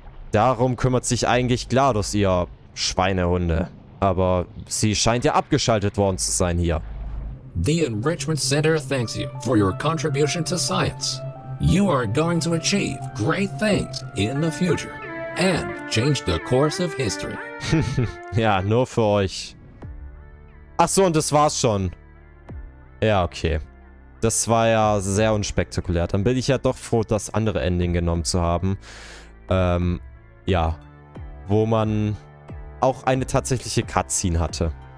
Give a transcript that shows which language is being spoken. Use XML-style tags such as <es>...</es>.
<de>Darum kümmert sich eigentlich GLaDOS, ihr Schweinehunde. Aber sie scheint ja abgeschaltet worden zu sein hier.</de> <en>The Enrichment Center thanks you for your contribution to science. You are going to achieve great things in the future and change the course of history.</en> <de>Ja, nur für euch. Ach so, und das war's schon. Ja, okay. Das war ja sehr unspektakulär. Dann bin ich ja doch froh, das andere Ending genommen zu haben. Ja. Wo man auch eine tatsächliche Cutscene hatte.</de>